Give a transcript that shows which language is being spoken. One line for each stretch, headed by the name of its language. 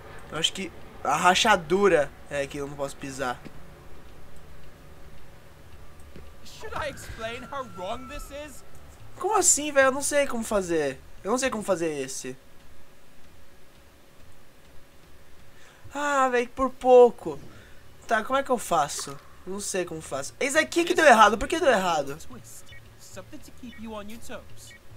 Portuguese: Eu acho que a rachadura é que eu não posso pisar.
English: Should I explain how wrong this is?
Portuguese: Como assim, velho? Eu não sei como fazer. Eu não sei como fazer esse. Ah, velho, por pouco. Tá, como é que eu faço? Eu não sei como faço. Esse aqui que deu errado. Por que deu errado?
English: Something to keep you on your toes.